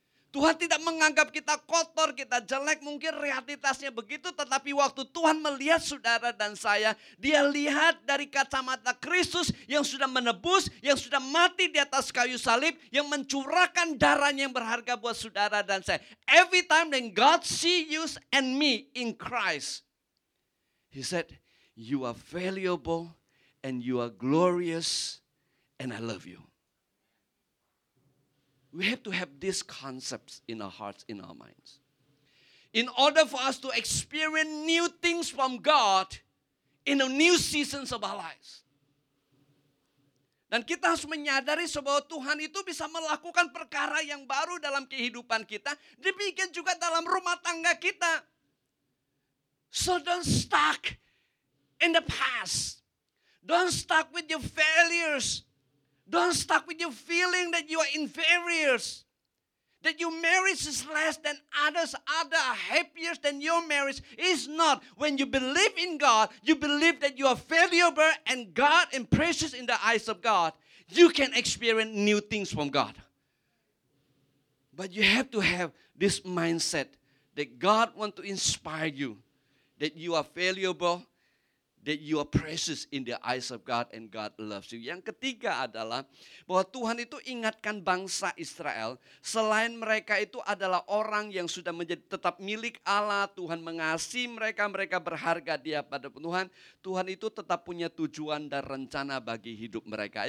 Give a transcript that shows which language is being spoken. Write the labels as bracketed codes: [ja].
[id] Tuhan tidak menganggap kita kotor, kita jelek, mungkin realitasnya begitu, tetapi waktu Tuhan melihat saudara dan saya, Dia lihat dari kacamata Kristus yang sudah menebus, yang sudah mati di atas kayu salib, yang mencurahkan darahnya yang berharga buat saudara dan saya. [en] Every time when God see you and me in Christ, He said, you are valuable and you are glorious and I love you. We have to have these concepts in our hearts, in our minds. In order for us to experience new things from God in the new seasons of our lives. [id] Dan kita harus menyadari bahwa Tuhan itu bisa melakukan perkara yang baru dalam kehidupan kita. Demikian juga dalam rumah tangga kita. [en] So don't stuck in the past. Don't stuck with your failures. Don't stuck with your feeling that you are inferior. That your marriage is less than others. Others are happier than your marriage. It's not. When you believe in God, you believe that you are valuable and God and precious in the eyes of God, you can experience new things from God. But you have to have this mindset that God wants to inspire you, that you are valuable, that you are precious in the eyes of God and God loves you. [id] Yang ketiga adalah bahwa Tuhan itu ingatkan bangsa Israel, selain mereka itu adalah orang yang sudah menjadi tetap milik Allah, Tuhan mengasihi mereka, mereka berharga di hadapan Tuhan, Tuhan itu tetap punya tujuan dan rencana bagi hidup mereka.